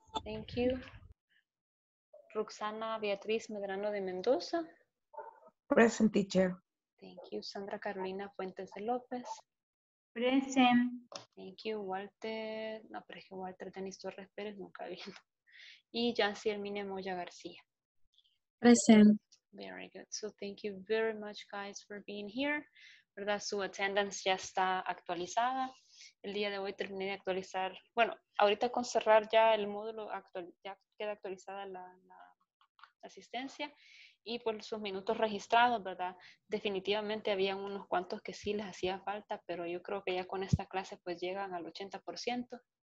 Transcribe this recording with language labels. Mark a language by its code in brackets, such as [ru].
[en] Thank you. Roxana Beatriz Medrano de Mendoza. Present, teacher. Thank you. Sandra Carolina Fuentes de López. Present. Thank you. [es] Walter, no, pero es que Walter Denis Torres Pérez nunca vino. Y Yancy Hermine Moya García. [en] Present. Very good. So thank you very much, guys, for being here. [es] ¿Verdad? Su attendance ya está actualizada. El día de hoy terminé de actualizar. Bueno, ahorita con cerrar ya el módulo, ya queda actualizada la asistencia. Y por sus minutos registrados, ¿verdad? Definitivamente habían unos cuantos que sí les hacía falta, pero yo creo que ya con esta clase pues llegan al 80%.